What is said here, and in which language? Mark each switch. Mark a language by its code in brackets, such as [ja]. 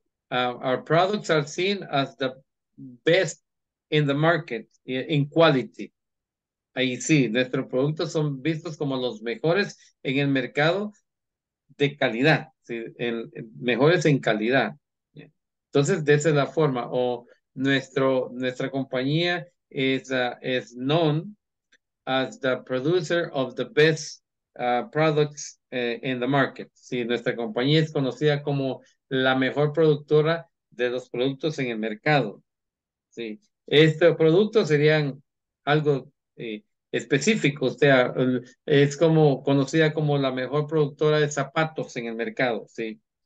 [en] Our products are seen as the best in the market, in quality. [es] Ahí sí, nuestros productos son vistos como los mejores en el mercado de calidad, ¿sí? Mejores en calidad. Entonces, de esa es la forma. O nuestra compañía es [en] known as the producer of the best products in the market. [es] Sí, nuestra compañía es conocida como la mejor productora de los productos en el mercado. Sí, estos productos serían algo específico, o sea, es como conocida como la mejor productora de zapatos en el mercado, ¿sí?